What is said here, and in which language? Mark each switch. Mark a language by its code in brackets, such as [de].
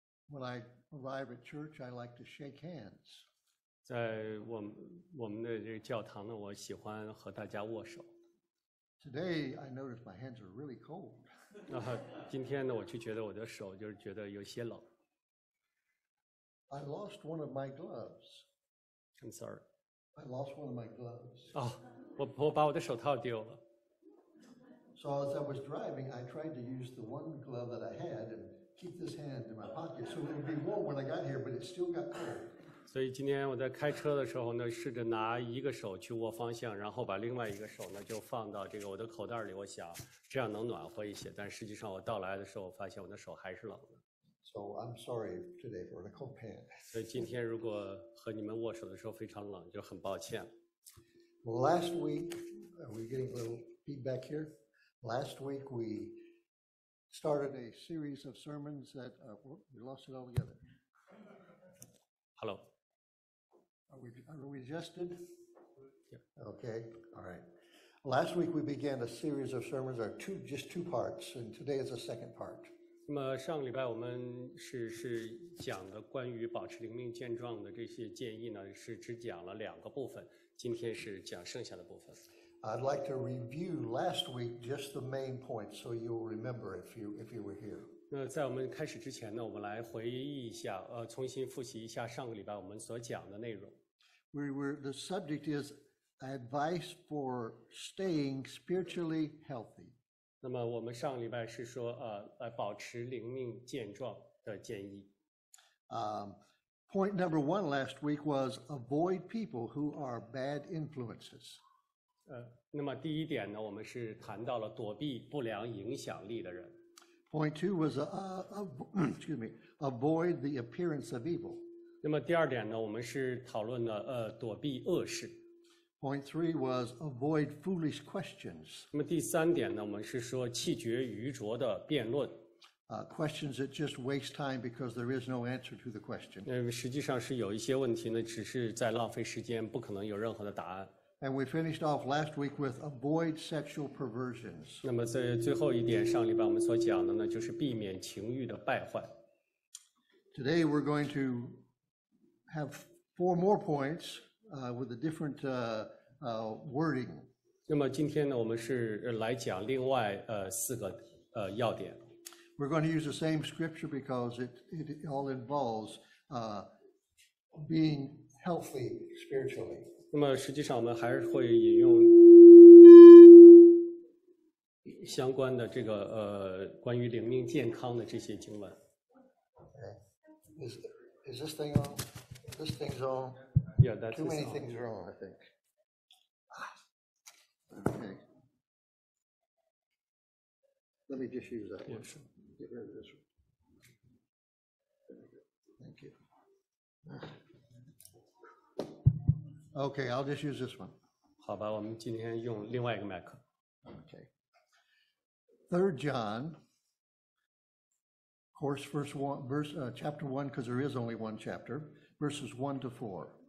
[en] When I arrive at church, I like to shake hands. [zh] 在我们的这个教堂呢，我喜欢和大家握手。 [en] Today, I notice my hands are really cold. [zh] 今天呢，我就觉得我的手就是觉得有些冷。 [en] I lost one of my gloves. I'm sorry. I lost one of my gloves. [zh] 我把我的手套丢了。 [en] So as I was driving, I tried to use the one glove that I had and keep this hand in my pocket so it would be warm when I got here, but it still got cold. [zh] 所以今天我在开车的时候呢，试着拿一个手去握方向，然后把另外一个手呢就放到这个我的口袋里，我想这样能暖和一些。但实际上我到来的时候，我发现我的手还是冷的。 [en] So I'm sorry today for the cold hand. [zh] 所以今天如果和你们握手的时候非常冷，就很抱歉。 [en] Last week, are we getting a little feedback here? Last week we started a series of sermons that we lost it all together. Hello. Are we adjusted? Yeah. Okay. All right. Last week we began a series of sermons that are just two parts, and today is the second part. [zh] 那么上个礼拜我们是讲的关于保持灵命健壮的这些建议呢，是只讲了两个部分。今天是讲剩下的部分。 [en] I'd like to review last week just the main points so you'll remember if you were here. [zh] 那在我们开始之前呢，我们来回忆一下，重新复习一下上个礼拜我们所讲的内容。 [en] The subject is advice for staying spiritually healthy. [zh] 那么我们上个礼拜是说，来保持灵命健壮的建议。 [en] Point number one last week was avoid people who are bad influences. [zh] 那么第一点呢，我们是谈到了躲避不良影响力的人。 [en] Point two was avoid the appearance of evil. [zh] 那么第二点呢，我们是讨论了躲避恶事。 [en] Point three was avoid foolish questions. [zh] 那么第三点呢，我们是说弃绝愚拙的辩论。 [en] Questions that just waste time because there is no answer to the question. [zh] 实际上是有一些问题呢，只是在浪费时间，不可能有任何的答案。 [en] And we finished off last week with avoid sexual perversions. [zh] 那么在最后一点，上礼拜我们所讲的呢，就是避免情欲的败坏。 [en] Today we're going to have four more points with a different wording. [zh] 那么今天呢，我们是来讲另外四个要点。 [en] We're going to use the same scripture because it all involves being healthy spiritually. [zh] 那么实际上我们还是会引用相关的这个关于灵命健康的这些经文。 [en] Okay. Is this thing on? This thing's on? Yeah, that's too many things wrong, I think. Okay. Let me just use that one. Get rid of this one. Thank you. Okay, I'll just use this one. [zh] 好吧，我们今天用另外一个麦克。 [en] Okay. Third John, of course, chapter one, because there is only one chapter, verses 1-4.